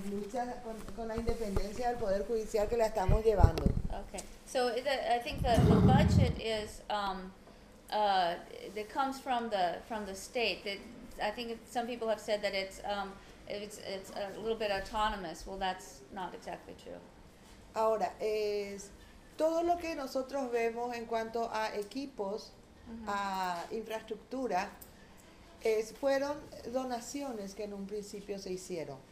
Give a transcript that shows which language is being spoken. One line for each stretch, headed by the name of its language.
Spanish: lucha con la independencia del poder judicial que la estamos llevando.
English: Okay. So I think that the budget is that comes from the state. I think some people have said that it's a little bit autonomous. Well, that's not exactly true.
Spanish: Ahora, es todo lo que nosotros vemos en cuanto a equipos, mm-hmm. a infraestructura, fueron donaciones que en un principio se hicieron.